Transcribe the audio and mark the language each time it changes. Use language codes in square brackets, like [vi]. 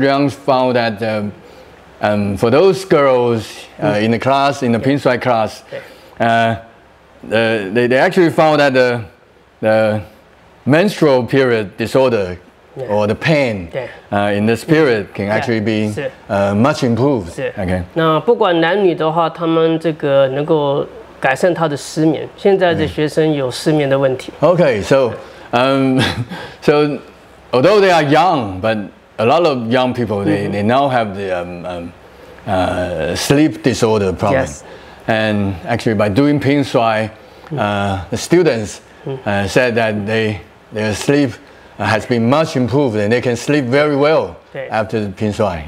[en] Liang found that for those girls in the class, in the Pingshuai class, they actually found that the menstrual period disorder or the pain in this period can actually be much improved. Okay. [zh] 那不管男女的话，他们这个能够改善他的失眠。现在的学生有失眠的问题。 [en] Okay, so, so although they are young, but a lot of young people they now have the sleep disorder problem. Yes. And actually, by doing Pingshuai, the students said that their sleep has been much improved, and they can sleep very well after the Pingshuai.